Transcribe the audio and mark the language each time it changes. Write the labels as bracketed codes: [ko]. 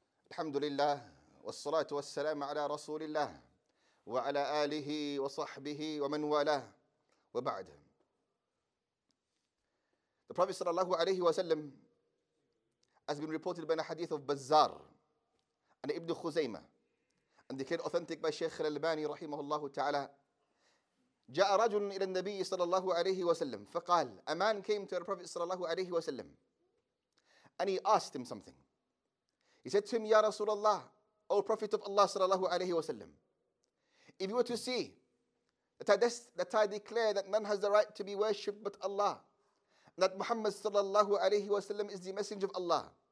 [ar] الحمد لله والصلاة والسلام على رسول الله وعلى آله وصحبه ومن والاه وبعد. [en] The Prophet sallallahu alayhi wa sallam has been reported by the hadith of Bazzar and Ibn Khuzayma, and they came authentic by Shaykh al-Albani rahimahullahu ta'ala. [ar] جاء رجل إلى النبي صلى الله عليه وسلم فقال. [en] A man came to the Prophet [ar] صلى الله عليه وسلم [en] and he asked him something. He said to him, [ar] يا رسول الله, [en] O Prophet of Allah [ar] صلى الله عليه وسلم, [en] if you were to see that I declare that none has the right to be worshipped but Allah, and that Muhammad صلى الله عليه وسلم is the messenger of Allah,